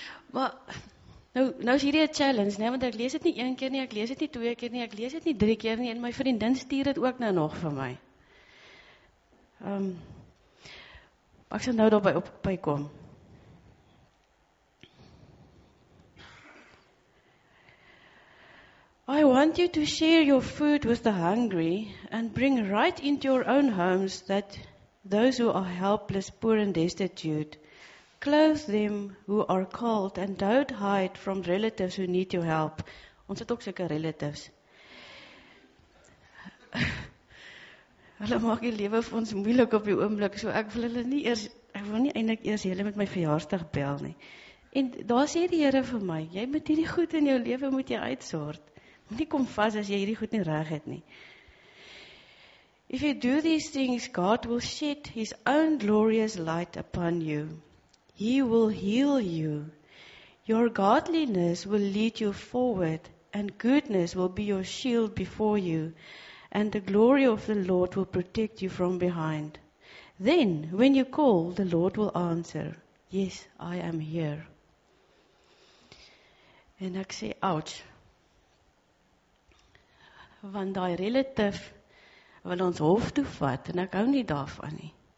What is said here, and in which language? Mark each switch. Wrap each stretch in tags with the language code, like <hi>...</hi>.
<af>Maar, nou is hierdie 'n challenge, nee, want ek lees het nie een keer nie, ek lees het nie twee keer nie, ek lees het nie drie keer nie, en my vriendin stuur het ook nou nog vir my. Ek sal nou daarby opby kom.</af> <en>I want you to share your food with the hungry and bring right into your own homes that those who are helpless, poor and destitute, clothe them who are cold and don't hide from relatives who need your help.</en> <af>Ons het ook sulke relatives. Hulle maak die lewe vir ons moeilik op die oomblik, so ek wil hulle nie eers, ek wil nie eintlik eers hulle met my verjaarsdag bel nie. En daar sê die Here vir my, jy moet hierdie goed in jou lewe moet jy uitsort. Nie kom vas as jy hierdie goed nie reg het nie.</af> <en>If you do these things, God will shed his own glorious light upon you. He will heal you. Your godliness will lead you forward, and goodness will be your shield before you, and the glory of the Lord will protect you from behind. Then, when you call, the Lord will answer, yes, I am here.</en> <af>En ek sê, ouch, want die relative wil ons hof toe vat, en ek hou nie daarvan nie.</af>